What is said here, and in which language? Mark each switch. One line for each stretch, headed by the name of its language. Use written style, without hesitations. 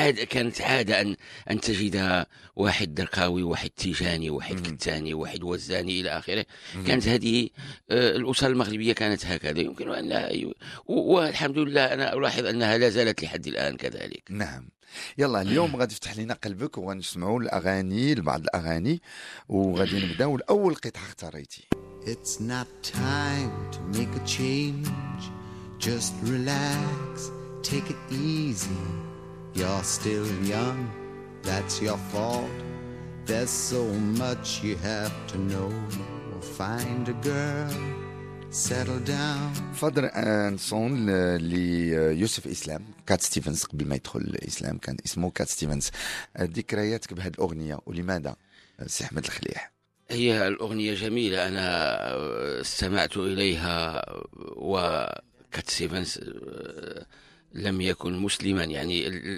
Arabic: كانت عادة أن تجد واحد درقاوي، واحد تيجاني، واحد كتاني، واحد وزاني إلى آخره. كانت هذه الأسر المغربية كانت هكذا، يمكن أن لا. والحمد لله أنا ألاحظ أنها لا زالت لحد الآن كذلك. نعم، يلا اليوم غادي تفتح لنا قلبك ونسمعوا الأغاني، لبعض الأغاني، وغادي نبدأ. الأول قطعة اختاريتي.
English: It's not time to make a change, just relax, take it easy. You're still young, that's your fault. There's so much you have to know. Find a girl, settle down.
Arabic: Father and son ليوسف إسلام، كات ستيفنز قبل ما يدخل الإسلام كان اسمه كات ستيفنز. ذكرياتك بهذه الأغنية ولماذا سي أحمد الخليع؟ هي الأغنية جميلة، أنا استمعت إليها، وكات ستيفنز لم يكن مسلما يعني.